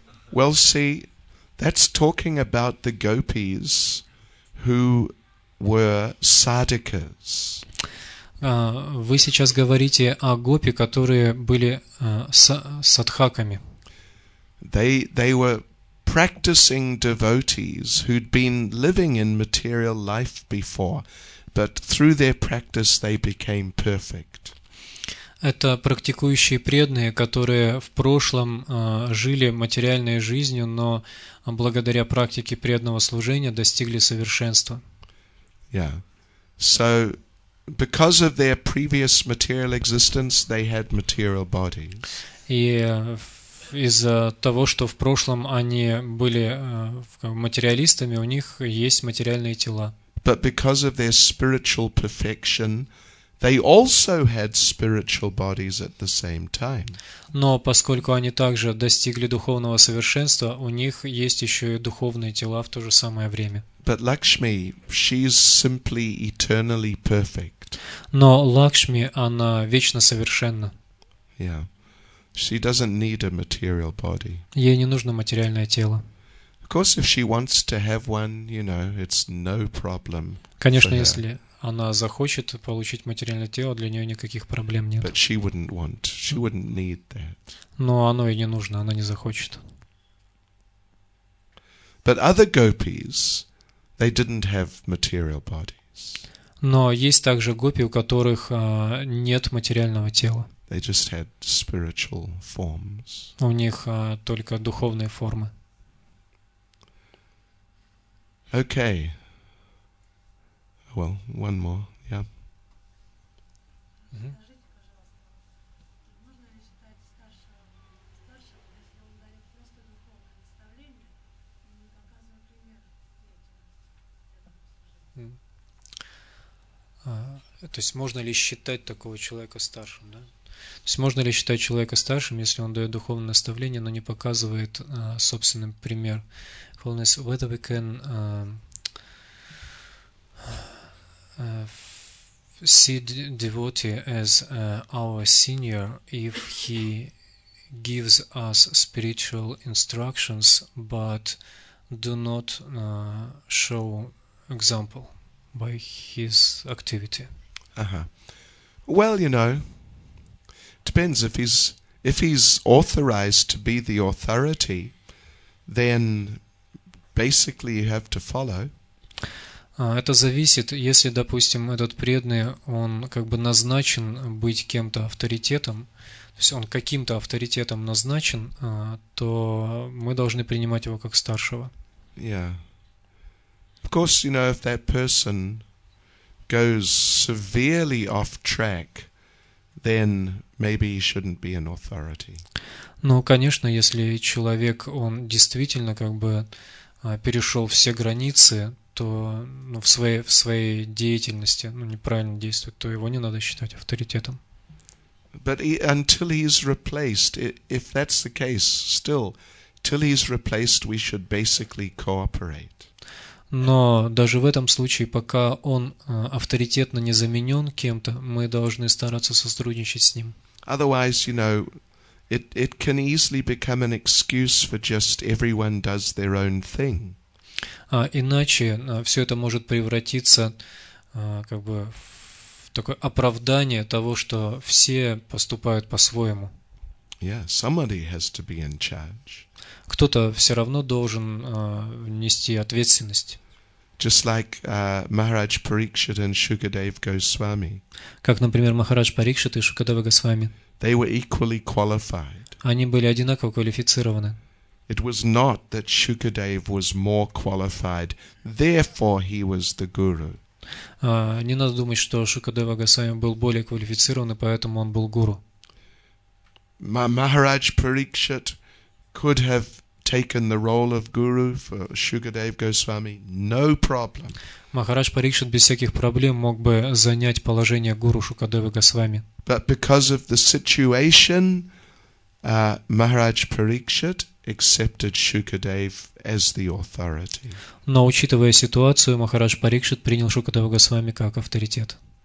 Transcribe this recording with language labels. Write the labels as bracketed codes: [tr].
[en] Well, see, that's talking about the gopis who were sadhakas. [ru] Вы сейчас говорите о гопи, которые были садхаками. [en] They were practicing devotees who'd been living in material life before, but through their practice they became perfect. [ru] Это практикующие преданные, которые в прошлом жили материальной жизнью, но благодаря практике преданного служения достигли совершенства. Yeah. [en] So, because of their previous material existence, they had material bodies. [ru] И из-за того, что в прошлом они были материалистами, у них есть материальные тела. [en] But because of their spiritual perfection, they also had spiritual bodies at the same time. [ru] Но поскольку они также достигли духовного совершенства, у них есть еще и духовные тела в то же самое время. [en] But Lakshmi, she's simply eternally perfect. [ru] Но Лакшми, она вечно совершенна. [en] Yeah. She doesn't need a material body. [ru] Ей не нужно материальное тело. [en] Of course, if she wants to have one, you know, it's no problem. [ru] Конечно, если она захочет получить материальное тело, для нее никаких проблем нет. [en] But she wouldn't want. She wouldn't need that. [ru] Но оно ей не нужно, она не захочет. [en] But other gopis, they didn't have material bodies. [ru] Но есть также гопи, у которых нет материального тела. [en] They just had spiritual forms. [ru] У них только духовные формы. [en] Okay. Well, one more, yeah. [ru] То есть можно ли считать такого человека старшим, да? То есть можно ли считать человека старшим, если он дает духовное наставление, но не показывает собственным пример? [en] Fullness, whether we can see devotee as our senior if he gives us spiritual instructions but do not show example by his activity. Uh-huh. Well, you know, depends if he's authorized to be the authority, then basically you have to follow. [ru] Это зависит, если, допустим, этот преданный, он как бы назначен быть кем-то авторитетом, то есть он каким-то авторитетом назначен, то мы должны принимать его как старшего. Yeah. [en] Of course, you know, if that person goes severely off track, then maybe he shouldn't be an authority. [ru] Ну, конечно, если человек, он действительно как бы перешел все границы, то ну, в своей деятельности ну, неправильно действует, то его не надо считать авторитетом. [en] But until he's replaced, if that's the case, still, till he's replaced, we should basically cooperate. [ru] Но даже в этом случае, пока он авторитетно не заменен кем-то, мы должны стараться сотрудничать с ним. [en] Otherwise, you know, it can easily become an excuse for just everyone does their own thing. [ru] Иначе все это может превратиться как бы в такое оправдание того, что все поступают по-своему. [en] Yeah, somebody has to be in charge. [ru] Кто-то все равно должен нести ответственность. [en] Just like Maharaj Parikshit and Shukadev Goswami. [ru] Как, например, Махарадж Парикшит и Шукадева Госвами. [en] They were equally qualified. [ru] Они были одинаково квалифицированы. [en] It was not that Shukadev was more qualified, therefore he was the guru. [ru] Не надо думать, что Шукадева Госвами был более квалифицирован, поэтому он был гуру. [en] Maharaj Parikshit could have taken the role of guru for Shukadev Goswami, no problem. [ru] Махарадж Парикшит без всяких проблем мог бы занять положение гуру Шукадевы Госвами. [en] But because of the situation, Maharaj Parikshit accepted Shukadev as the authority. [ru] Но учитывая ситуацию, Махарадж Парикшит принял Шукадеву Госвами как авторитет.